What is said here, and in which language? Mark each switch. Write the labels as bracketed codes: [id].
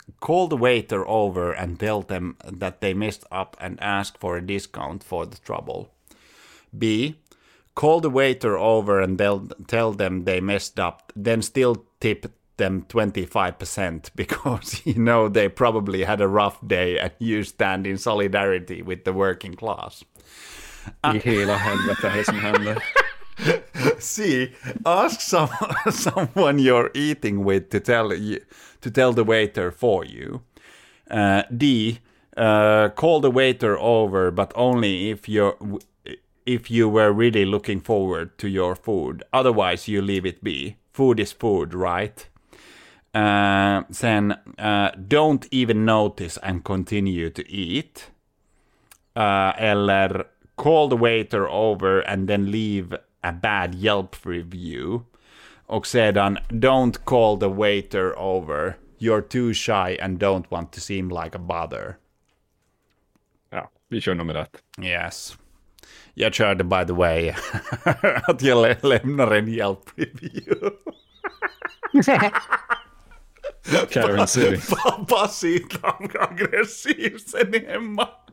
[en] Call the waiter over and tell them that they messed up and ask for a discount for the trouble. B. Call the waiter over and tell them they messed up, then still tip them 25% because you know they probably had a rough day and you stand in solidarity with the working class. [sv] I hela helvete här som händer. C. [en] Ask someone you're eating with to tell the waiter for you. D. Call the waiter over, but only if you were really looking forward to your food. Otherwise, you leave it be. Food is food, right? Don't even notice and continue to eat. Eller call the waiter over and then leave a bad Yelp review. [sv] Och sedan, [en] don't call the waiter over. You're too shy and don't want to seem like a bother. [sv] Ja, vi kör nummer ett. [en] Yes. [sv] Jag körde, [en] by the way, [sv] att jag lämnar en Yelp review. [en] Karen City. [sv] Pass inte långa aggressiv sen hemma.